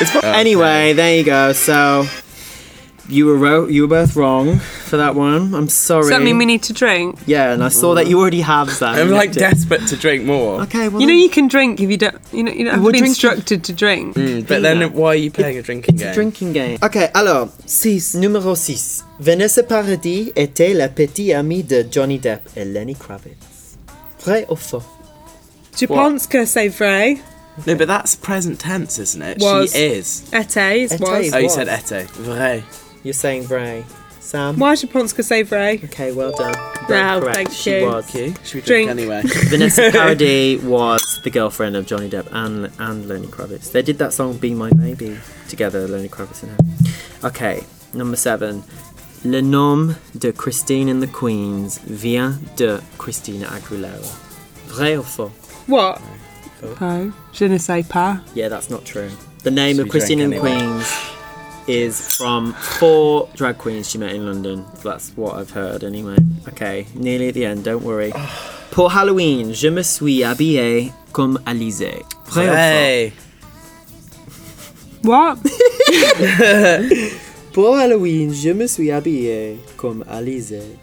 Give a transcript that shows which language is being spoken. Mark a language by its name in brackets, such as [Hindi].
[English] Anyway, there you go. So you were both wrong. for that one. I'm sorry. Does that mean we need to drink? Yeah, and I saw that you already have that. I'm like desperate to drink more. Okay, well. You know you can drink if you don't, you know, you don't have to be instructed to drink. But then why are you playing a drinking game? It's a drinking game. Okay, [French] alors, six. Numéro six. Vanessa Paradis était la petite amie de Johnny Depp et Lenny Kravitz. Vrai ou faux? Je pense que c'est vrai. [English] No, but that's present tense, isn't it? Was. She is. [French] Était. [English] Was. Oh, you said était. [French] Vrai. [English] You're saying vrai. Sam? [French] Moi, je pense que c'est vrai. [English] Okay, well done. Well, correct. Thank she you. Was. Should we drink anyway? Vanessa Paradis was the girlfriend of Johnny Depp and Lenny Kravitz. They did that song Be My Baby together, Lenny Kravitz and her. Okay, number seven. [French] Le nom de Christine and the Queens vient de Christina Aguilera. Vrai ou faux? [English] What? Oh. [French] Je ne sais pas. [English] Yeah, that's not true. The name of Christine and the Queens is from four drag queens she met in London. That's what I've heard anyway. Okay, nearly at the end, don't worry. [French] Pour Halloween, je me suis habillée comme Alizé. Vrai ou faux? [English] What? [French] Pour Halloween, je me suis habillée comme Alizé.